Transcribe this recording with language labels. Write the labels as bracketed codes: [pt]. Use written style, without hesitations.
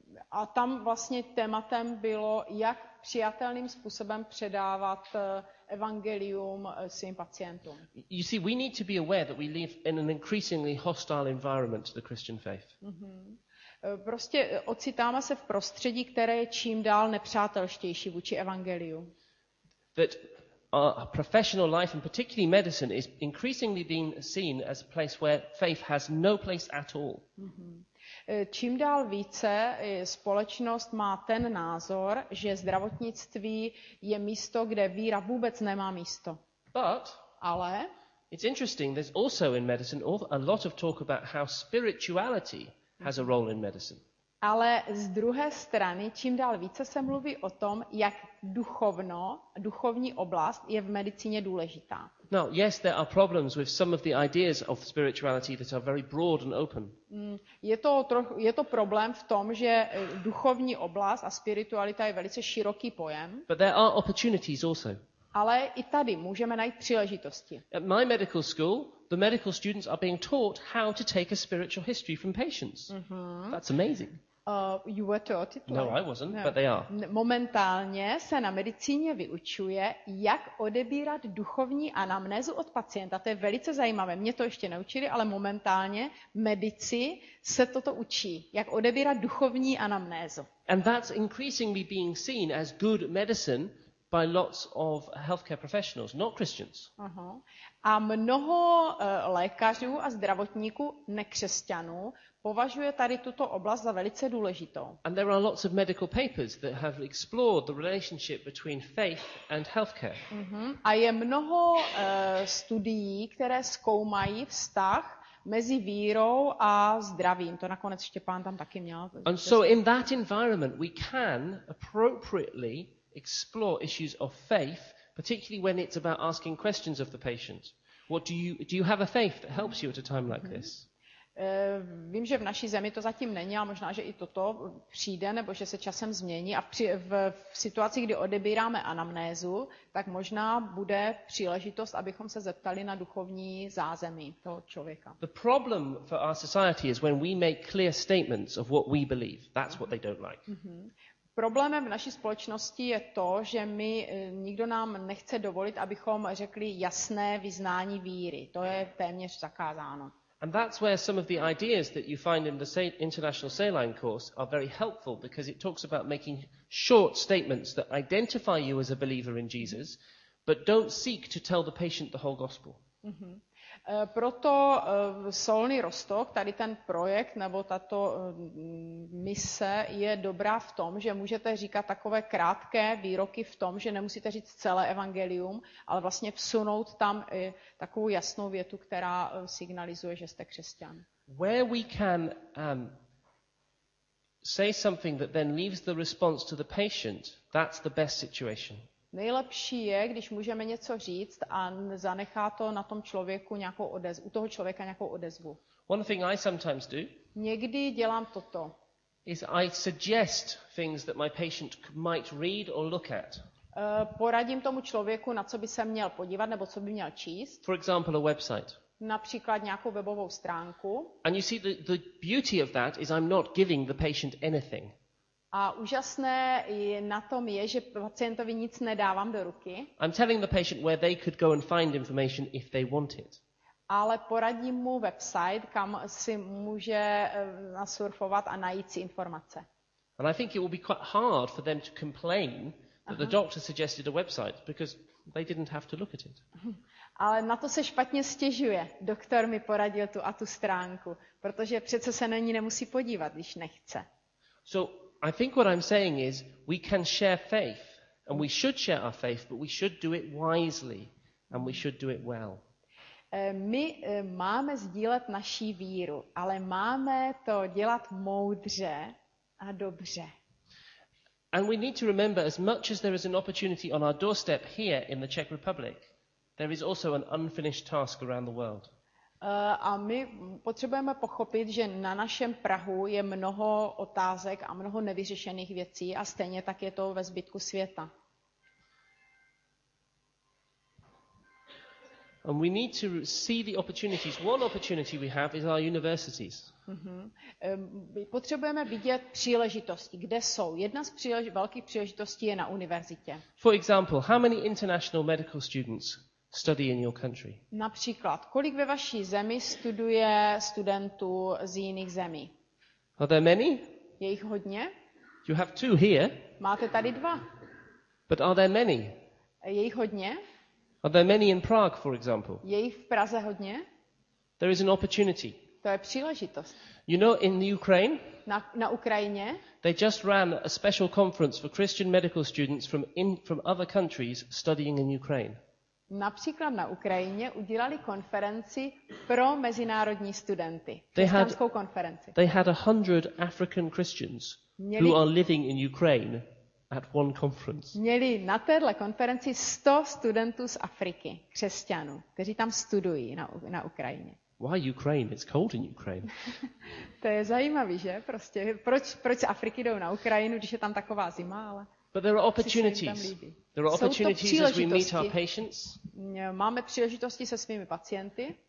[cs] A tam vlastně tématem bylo, jak přijatelným způsobem předávat evangelium svým pacientům. [en] You see, we need to be aware that we live in an increasingly hostile environment to the Christian faith. [cs] Prostě ocitáme se v prostředí, které je čím dál nepřátelštější vůči evangeliu. [en] That our professional life and particularly medicine is increasingly being seen as a place where faith has no place at all. [cs] Čím dál více společnost má ten názor, že zdravotnictví je místo, kde víra vůbec nemá místo. [en] But [cs] ale [en] it's interesting, there's also in medicine a lot of talk about how spirituality has a role in medicine. [cs] Ale z druhé strany, čím dál více se mluví o tom, jak duchovní oblast je v medicíně důležitá. [en] Now, yes, there are problems with some of the ideas of spirituality that are very broad and open. [cs] Je to problém v tom, že duchovní oblast a spiritualita je velice široký pojem. [en] But there are opportunities also. [cs] Ale i tady můžeme najít příležitosti. [en] At my medical school, the medical students are being taught how to take a spiritual history from patients. That's amazing. You were taught it. No, I wasn't, no. But they are. [cs] Momentálně se na medicíně vyučuje, jak odebírat duchovní anamnézu od pacienta. To je velice zajímavé. Mě to ještě neučili, ale momentálně medici se toto učí, jak odebírat duchovní anamnézu. [en] And that's increasingly being seen as good medicine by lots of healthcare professionals, not Christians. [cs] A mnoho lékařů a zdravotníků nekřesťanů považuje tady tuto oblast za velice důležitou. [en] And there are lots of medical papers that have explored the relationship between faith and healthcare. [cs] A je mnoho studií, které zkoumají vztah mezi vírou a zdravím. To nakonec Štěpán tam taky měl. [en] And so in that environment we can appropriately explore issues of faith, particularly when it's about asking questions of the patient. What do you have a faith that helps you at a time like this? [cs] Vím, že v naší zemi to zatím není, ale možná, že i toto přijde, nebo že se časem změní. A v situaci, kdy odebíráme anamnézu, tak možná bude příležitost, abychom se zeptali na duchovní zázemí toho člověka. [en] The problem for our society is when we make clear statements of what we believe. That's what they don't like. [cs] Problémem v naší společnosti je to, že my nikdo nám nechce dovolit, abychom řekli jasné vyznání víry. To je téměř zakázáno. [en] And that's where some of the ideas that you find in the International Saline course are very helpful, because it talks about making short statements that identify you as a believer in Jesus, but don't seek to tell the patient the whole gospel. [cs] Proto Solný Roztok, tady ten projekt nebo tato mise je dobrá v tom, že můžete říkat takové krátké výroky v tom, že nemusíte říct celé evangelium, ale vlastně vsunout tam takovou jasnou větu, která signalizuje, že jste křesťan. [en] Where we can say something that then leaves the response to the patient, that's the best situation. [cs] Nejlepší je, když můžeme něco říct a zanechá to na tom člověku nějakou odezvu, u toho člověka nějakou odezvu. [en] One thing I sometimes do. [cs] Někdy dělám toto. [en] Is I suggest things that my patient might read or look at. [cs] Poradím tomu člověku, na co by se měl podívat nebo co by měl číst. [en] For example, a website. [cs] Například nějakou webovou stránku. [en] And you see the beauty of that is I'm not giving the patient anything. [cs] A úžasné na tom je, že pacientovi nic nedávám do ruky. [en] I'm telling the patient where they could go and find information if they want it. [cs] Ale poradím mu website, kam si může nasurfovat a najít si informace. [en] And I think it will be quite hard for them to complain that the doctor suggested a website, because they didn't have to look at it. [cs] Ale na to se špatně stěžuje. Doktor mi poradil tu a tu stránku, protože přece se na ní nemusí podívat, když nechce. [en] So I think what I'm saying is we can share faith and we should share our faith, but we should do it wisely and we should do it well. [cs] My máme sdílet naši víru, ale máme to dělat moudře a dobře. [en] And we need to remember, as much as there is an opportunity on our doorstep here in the Czech Republic, there is also an unfinished task around the world. [cs] A my potřebujeme pochopit, že na našem prahu je mnoho otázek a mnoho nevyřešených věcí a stejně tak je to ve zbytku světa. [en] And we need to see the opportunities. One opportunity we have is our universities. [cs] My potřebujeme vidět příležitosti, kde jsou. Jedna z velkých příležitostí je na univerzitě. [en] For example, how many international medical students study in your country? [cs] Například, kolik ve vaší zemi studuje studentů z jiných zemí? [en] Are there many? [cs] Je jich hodně? [en] You have two here. [cs] Máte tady dva. [en] But are there many? [cs] Je jich hodně? [en] Are there many in Prague, for example? [cs] Je jich v Praze hodně? [en] There is an opportunity. [cs] To je příležitost. [en] You know, in the Ukraine? [cs] Na Ukrajině? [en] They just ran a special conference for Christian medical students from other countries studying in Ukraine. [cs] Například na Ukrajině udělali konferenci pro mezinárodní studenty. Křesťanskou konferenci. [en] They had 100 African Christians who are living in Ukraine at one conference. [cs] Měli na téhle konferenci 100 studentů z Afriky, křesťanů, kteří tam studují na Ukrajině. [en] Why Ukraine? It's cold in Ukraine. [cs] To je zajímavý, že? Prostě proč z Afriky jdou na Ukrajinu, když je tam taková zima, ale. [en] But there are opportunities. There are opportunities as we meet our patients. [cs] Máme příležitosti se svými pacienty.